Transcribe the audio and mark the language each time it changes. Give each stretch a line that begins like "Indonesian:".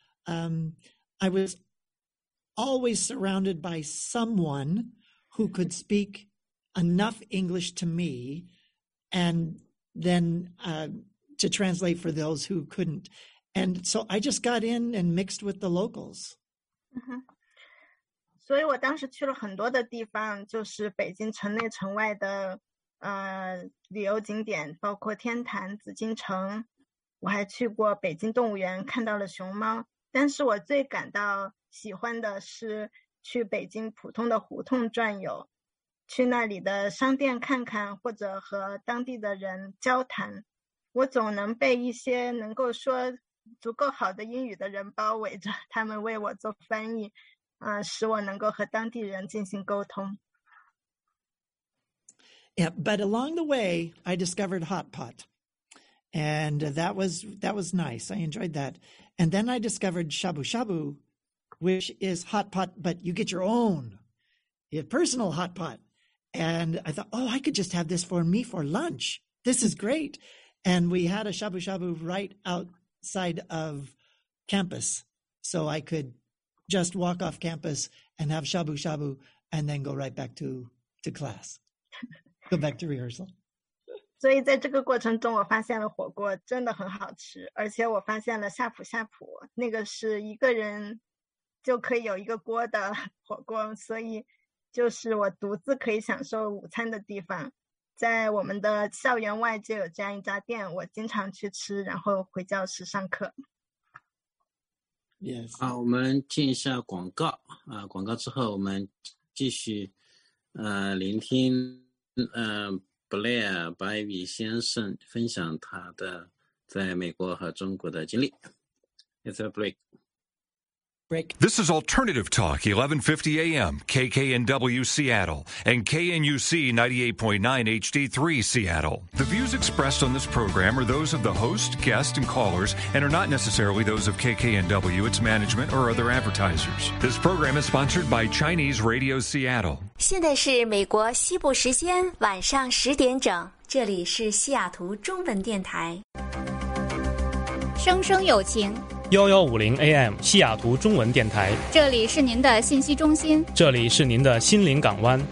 English: I was always surrounded by someone who could speak enough English to me and then to translate for those who couldn't. And so I just got in and mixed with the locals. Mm-hmm.
Chinese: 所以我当时去了很多的地方，就是北京城内城外的旅游景点，包括天坛、紫禁城，我还去过北京动物园，看到了熊猫。但是我最感到喜欢的是去北京普通的胡同转悠，去那里的商店看看，或者和当地的人交谈。我总能被一些能够说足够好的英语的人包围着，他们为我做翻译，使我能够和当地人进行沟通。
English: Yeah, but along the way, I discovered hot pot. And that was nice. I enjoyed that. And then I discovered shabu-shabu, which is hot pot, but you get your own. You have personal hot pot. And I thought, oh, I could just have this for me for lunch. This is great. And we had a shabu-shabu right outside of campus, so I could... just walk off campus and have shabu shabu and then go right back to class, go back to rehearsal.
Chinese: 所以在这个过程中我发现了火锅真的很好吃，而且我发现了夏普夏普，那个是一个人就可以有一个锅的火锅，所以就是我独自可以享受午餐的地方。在我们的校园外就有这样一家店，我经常去吃，然后回教室上课。
English: Yes.
Chinese: 好，我们进一下广告广告之后我们继续聆听Blair Bivy 先生分享他的在美国和中国的经历。
English: It's a break. Break. This is Alternative Talk, 1150 AM, KKNW Seattle, and KNUC 98.9 HD3 Seattle. The views expressed on this program are those of the host, guest, and callers, and are not necessarily those of KKNW, its management, or other advertisers. This program is sponsored by Chinese Radio Seattle.
Chinese: 现在是美国西部时间晚上十点整，这里是西雅图中文电台。声声有情。 1150 AM 西雅图中文电台，这里是您的信息中心，这里是您的心灵港湾，